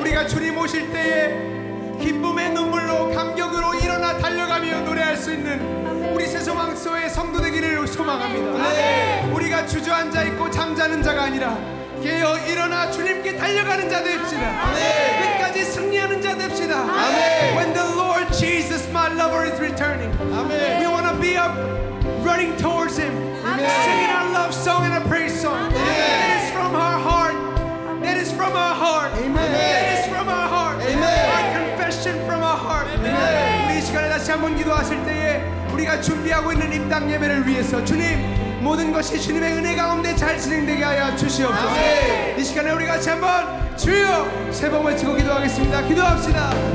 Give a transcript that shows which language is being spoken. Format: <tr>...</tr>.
<ko>우리가 주님 오실 때에 기쁨의 눈물로 감격으로 일어나 달려가며 노래할 수 있는 아멘. 우리 새소망소의 성도 되기를 소망합니다. 아멘. 아멘. 우리가 주저앉아 있고 잠자는 자가 아니라 깨어 일어나 주님께 달려가는 자 됩시다. 아멘. 아멘. 끝까지 승리하는 자 됩시다. 아멘.</ko> <en>When the Lord Jesus my lover is returning.</en> <ko>아멘.</ko> <en>We wanna be up running towards him. Amen. Singing our love song and a praise song. Amen. That is from our heart. Amen. That is from our heart. Amen. That is from our heart. Amen. Our confession from our heart. Amen.</en> <ko>우리 이 시간에 다시 한번 기도하실 때에 우리가 준비하고 있는 입당 예배를 위해서 주님 모든 것이 주님의 은혜 가운데 잘 진행되게 하여 주시옵소서. 아멘. 이 시간에 우리 같이 한번 주여 새 복 외치고 기도하겠습니다. 기도합시다.</ko>